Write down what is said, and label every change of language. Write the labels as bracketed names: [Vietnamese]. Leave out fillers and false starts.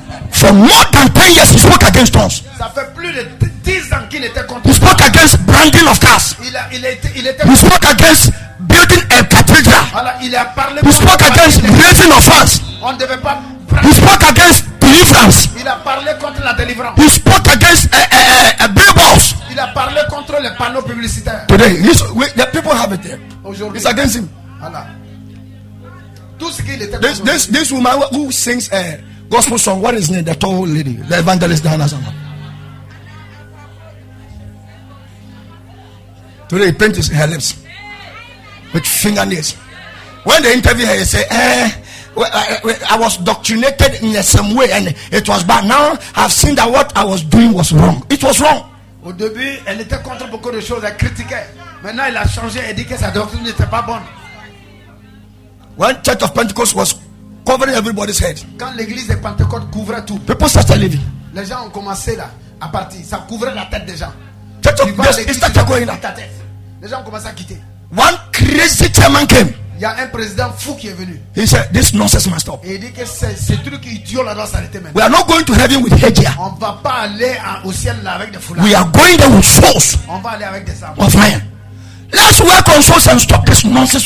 [English] For more than 10 years, he spoke against tongues. [French] Ça fait plus de 10 ans qu'il était contre. [English] He spoke against branding of cars. [French] Il était [English] he spoke against building a cathedral. He spoke against raising of funds. [French] On ne devait pas. [English] He spoke against deliverance. [French] Il a parlé contre la délivrance. [English] He spoke against billboards. [French] Il a parlé contre les panneaux publicitaires. [English] Today, the people have it there. [French] Aujourd'hui, [English] it's against him. [French] Tout ce qu'il était. [English] This woman who sings a gospel song. What is his name? The tall lady, the evangelist Diana Zama. Today, he paints her lips with fingernails. When they interview her, he say, I was doctrinated in some way and it was bad. Now I've seen that what I was doing was wrong. It was wrong. [French] Au début, elle était contre beaucoup de choses, elle critiquait. Maintenant, elle a changé et dit que sa doctrine n'était pas bonne. [English] When Church of Pentecost was covering everybody's head. [French] Quand l'église de Pentecôte couvrait tout. [English] People started leaving. [French] Les gens ont commencé là à partir, ça couvrait la tête des gens. [English] Church of Pentecost started going [French] là. Les gens ont commencé à quitter. [English] One crazy chairman came. [French] Il y a un président fou qui est venu. [English] He said, this nonsense must stop. [French] Il dit que ce truc idiot là doit s'arrêter maintenant. [English] We are not going to heaven with Hagia. [French] On va pas aller au ciel là avec des foulards. [English] We are going there with souls. [French] On va aller avec des âmes. [English] Of iron. Let's work on souls and stop this nonsense